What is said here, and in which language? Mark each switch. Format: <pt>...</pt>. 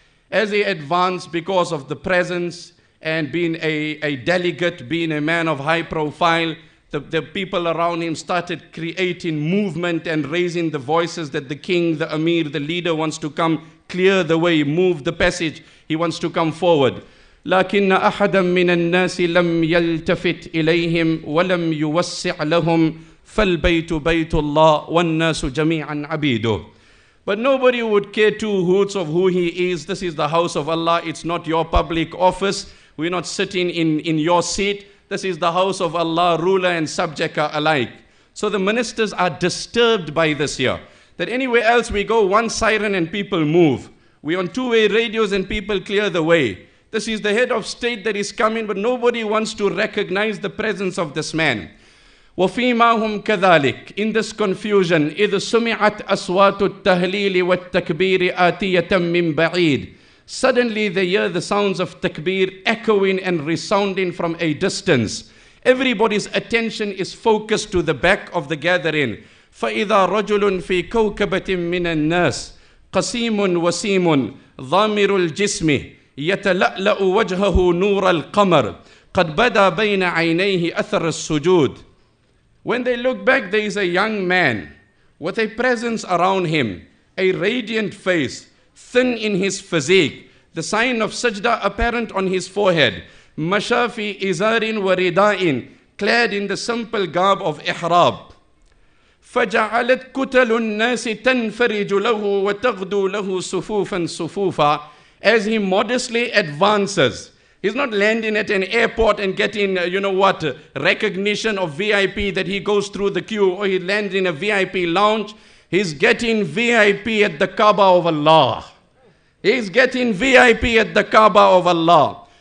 <en>As he advanced, because of the presence and being a delegate, being a man of high profile, the people around him started creating movement and raising the voices that the king, the emir, the leader wants to come clear the way, move the passage. He wants to come forward.</en> <ar>لكن أحدا من الناس لم يلتفت إليهم ولم يوسع لهم فالبيت بيت الله والناس جميعا عبيده.</ar> <en>But nobody would care two hoots of who he is. This is the house of Allah. It's not your public office. We're not sitting in your seat. This is the house of Allah. Ruler and subject are alike. So the ministers are disturbed by this here. That anywhere else we go, one siren and people move. We on two-way radios and people clear the way. This is the head of state that is coming, but nobody wants to recognize the presence of this man.</en> <ar>وَفِيمَا هُمْ كَذَلِكَ.</ar> <en>In this confusion,</en> <ar>إِذْ سُمِعَتْ أَصْوَاتُ التَّهْلِيلِ وَالتَّكْبِيرِ آتِيَةً مِّن بَعِيدٍ.</ar> <en>Suddenly they hear the sounds of takbir echoing and resounding from a distance. Everybody's attention is focused to the back of the gathering.</en> <ar>فَإِذَا رَجُلٌ فِي كَوْكَبَةٍ مِّنَ النَّاسِ قَسِيمٌ وَسِيمٌ ضَامِرُ الْجِسْمِ يَتَلَأْلَأُ وَجْهَهُ نُورَ الْقَمَرِ قَدْ بَدَى بَيْنَ عَيْنَيْهِ أَثَرَ السُّجُودِ.</ar> <en>When they look back, there is a young man with a presence around him, a radiant face, thin in his physique, the sign of sajda apparent on his forehead,</en> <ar>مَشَى فِي إِزَارٍ وَرِدَاءٍ,</ar> <en>clad in the simple garb of ihrab.</en> <ar>فجعلت كتل الناس تنفرج له وتغدو له صفوفا صفوفا.</ar> <en>As he modestly advances, he's not landing at an airport and getting, you know what, recognition of VIP that he goes through the queue, or he lands in a VIP lounge. He's getting VIP at the Kaaba of Allah. He's getting VIP at the Kaaba of Allah.</en>